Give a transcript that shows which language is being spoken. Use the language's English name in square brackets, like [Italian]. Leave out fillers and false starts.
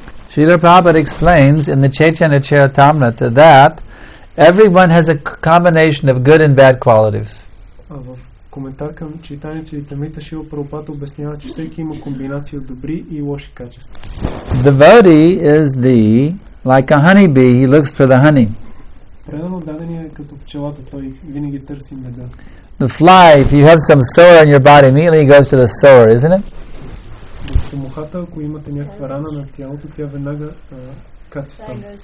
[English] Srila Prabhupada explains in the Chaitanya Charitamrita that everyone has a combination of good and bad qualities. [Bulgarian] В коментар към Chaitanya Charitamrita Srila Prabhupada обяснява, че всеки има комбинация от добри и лоши качества. [English] Devotee is the like a honeybee, he looks for the honey. [Bulgarian] Предано дадения е като пчелата, той винаги търси меда. [English] The fly, if you have some sore in your body, immediately goes to the sore, isn't it? [Bulgarian] Мухата, ако имате някаква рана на тялото, тя веднага кац там.